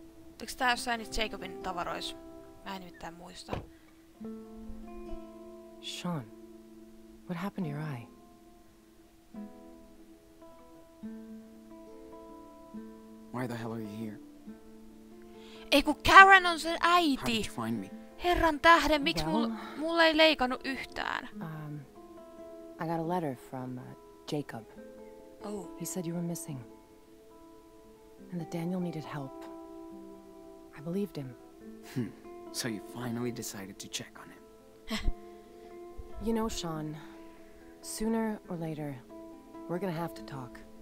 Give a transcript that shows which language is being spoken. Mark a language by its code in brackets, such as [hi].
[fi] Oliko tää jossain niitä Jacobin tavarois? Mä en nimittäin muista. [en] Sean, what happened to your eye? Why the hell are you here? [fi] Ei ku Karen on sen äiti! [en] How did you find me? [fi] Herran tähden, miks mulla ei leikannu yhtään? [en] I got a letter from Jacob. Oh. He said you were missing. And that Daniel needed help. I believed him. So you finally decided to check on him. You know, Sean, sooner or later, we're gonna have to talk.